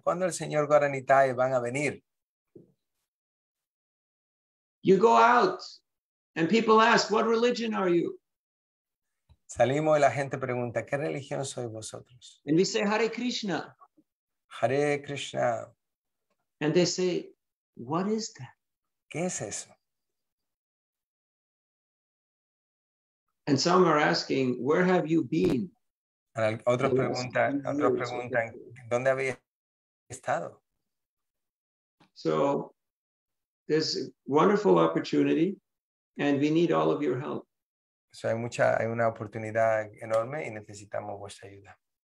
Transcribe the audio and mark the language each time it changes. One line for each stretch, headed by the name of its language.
Spanish: ¿Cuándo el señor Gaur y Nitai van a venir?
English: You go out and people ask, "What religion are you?"
Spanish: Salimos y la gente pregunta, ¿qué religión sois vosotros?
English: And we say, "Hare Krishna."
Spanish: Hare Krishna.
English: And they say, "What is that?"
Spanish: ¿Qué es eso?
English: And some are asking, "Where have you been?"
Spanish: Otros preguntan, ¿dónde habéis estado?
English: So, this wonderful opportunity, and we need all of your help.
Spanish: So, hay una oportunidad enorme y necesitamos vuestra ayuda.